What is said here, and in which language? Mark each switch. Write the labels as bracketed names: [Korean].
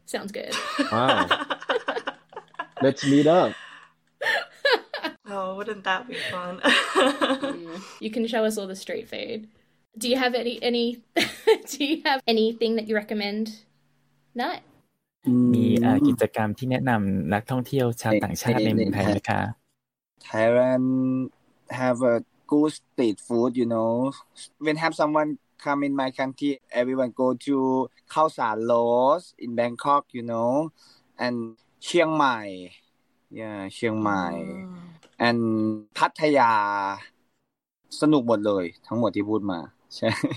[English] Sounds good. Wow. Let's meet up. Oh, wouldn't that be fun? You can show us all the street food. Do you have anything that you recommend? Not? [Thai] มีกิจกรรมที่แนะนำนักท่องเที่ยวชาวต่างชาติในเมืองไทยนะคะ [English] Thailand have a good street food you know when have someone come in my country everyone go to Khao San Los in Bangkok you know and Chiang Mai yeah Chiang Mai and Pattaya [Thai] สนุกหมดเลยทั้งหมดที่พูดมาใช่